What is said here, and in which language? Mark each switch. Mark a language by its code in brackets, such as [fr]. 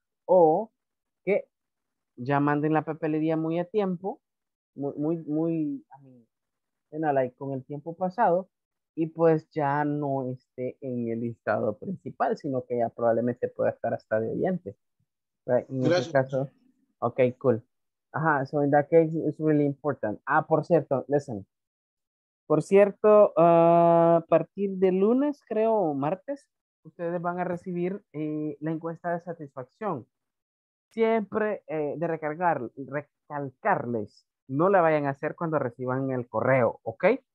[es] O que ya manden la papelería muy a tiempo, con el tiempo pasado, y pues ya no esté en el listado principal, sino que ya probablemente pueda estar hasta de oyente. En este caso. [en] Okay, cool. Ajá, so in that case, it's really important. [es] Ah, por cierto, listen. Por cierto, a partir de lunes, creo, o martes, ustedes van a recibir la encuesta de satisfacción. Siempre de recalcarles, no la vayan a hacer cuando reciban el correo, okay?